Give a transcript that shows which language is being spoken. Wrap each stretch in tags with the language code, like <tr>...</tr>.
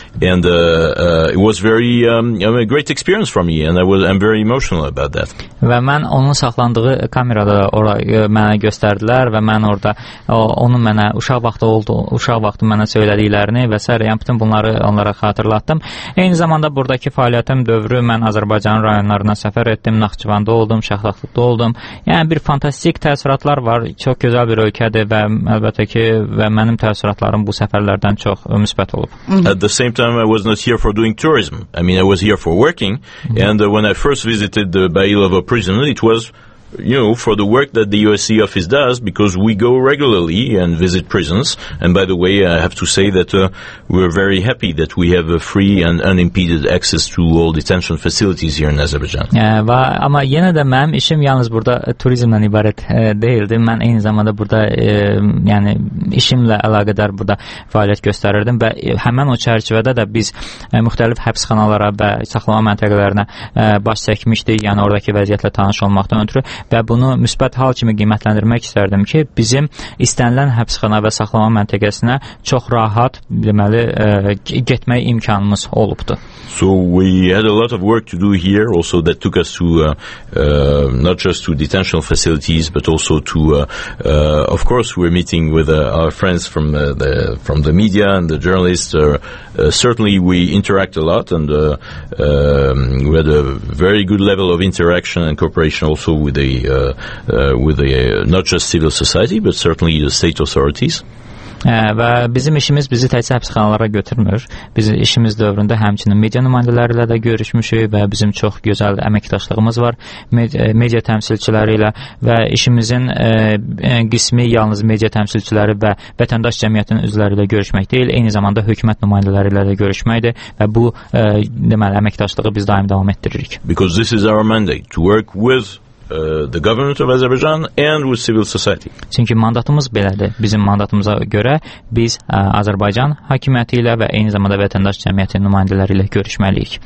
<en>And it was very a great experience for me, and I'm very emotional about that.</en> <az>Və mən onun saxlandığı kamerada ora mənə göstərdilər və mən orada onun mənə uşaq vaxtı oldu, uşaq vaxtı mənə söylədiklərini və sərə, yəni bütün bunları onlara xatırlatdım. Eyni zamanda buradakı fəaliyyətim dövrü mən Azərbaycanın rayonlarına səfər etdim, Naxçıvanda oldum, Şaxlıqda oldum. Yəni bir fantastik təəssüratlar var. Çox gözəl bir ölkədir və əlbəttə ki və mənim təəssüratlarım bu səfərlərdən çox müsbət olub.</az> <en>At the same time I was not here for doing tourism. I mean I was here for working and when I first visited the Bayilova prison it was you know, for the work that the USC office does, because we go regularly and visit prisons. And by the way, I have to say that we're very happy that we have a free and unimpeded access to all detention facilities here in Azerbaijan.</en> <az>Amma yenə də mənim işim yalnız burada turizmdən ibarət deyildi. Mən eyni zamanda burada, yəni işimlə əlaqədar burada fəaliyyət göstərirdim. Və həmən o çərçivədə də biz müxtəlif həbsxanalara və saxlama məntəqələrinə baş çəkmişdik, yəni oradakı vəziyyətlə tanış olmaqdan ötürü. Və bunu müsbət hal kimi qiymətləndirmək istərdim ki, bizim istənilən həbsxana və saxlama məntəqəsinə çox rahat deməli getmək imkanımız olubdu.</az> <en>So we had a lot of work to do here also that took us to not just to detention facilities but also to of course we're meeting with our friends from the media and the journalists certainly we interact a lot and we had a very good level of interaction and cooperation also with the not just civil society but certainly the state authorities.</en> <az>Və bizim işimiz bizi təkcə həbsxanalara götürmür. Biz işimiz dövründə həmçinin media nümayəndələri ilə də görüşmüşük və bizim çox gözəl əməkdaşlığımız var media təmsilçiləri ilə və işimizin qismi yalnız media təmsilçiləri və vətəndaş cəmiyyətinin üzvləri ilə görüşmək deyil, eyni zamanda hökumət nümayəndələri ilə də görüşməkdir və bu deməli əməkdaşlığı biz daim davam etdiririk.</az> <en>Because this is our mandate to work with the government of Azerbaijan and with civil society.</en> <az>Çünki mandatımız belədir. Bizim mandatımıza görə biz Azərbaycan hakimiyyəti ilə və eyni zamanda vətəndaş cəmiyyətinin nümayəndələri ilə görüşməliyik.</az>